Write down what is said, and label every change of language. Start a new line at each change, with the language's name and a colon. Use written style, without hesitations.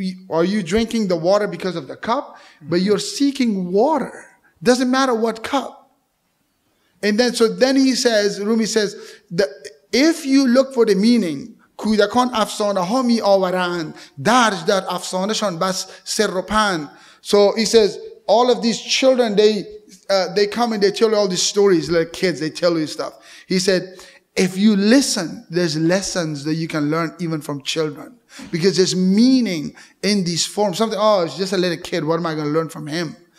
English: Are you drinking the water because of the cup? But you're seeking water. Doesn't matter what cup. And then, so then he says, Rumi says, if you look for the meaning,
Persian: کودکان افسانه ها می آورند درج در افسانه شان بس سر و پند.
English: So he says, all of these children, they come and they tell you all these stories, like kids, they tell you stuff. He said, if you listen, there's lessons that you can learn even from children. Because there's meaning in these forms. Something, oh, it's just a little kid, what am I going to learn from him?